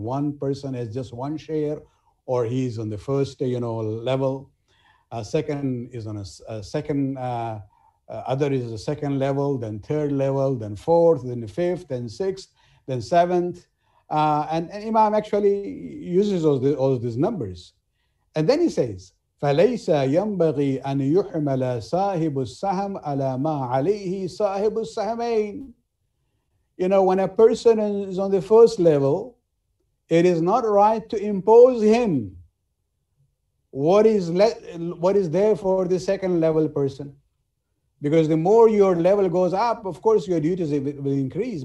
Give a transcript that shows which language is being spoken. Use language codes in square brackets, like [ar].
[en] One person has just one share, or he's on the first, you know, level. Second is on a second, other is a second level, then third level, then fourth, then the fifth, then sixth, then seventh. And Imam actually uses all of these numbers. And then he says, [ar] فَلَيْسَ يَنْبَغِي أَنْ يُحْمَلَ صَاحِبُ السَّهَمْ عَلَى مَا عَلَيْهِ صَاحِبُ السَّهَمَيْنِ. [en] You know, when a person is on the first level, it is not right to impose him what is there for the second level person. Because the more your level goes up, of course, your duties will increase.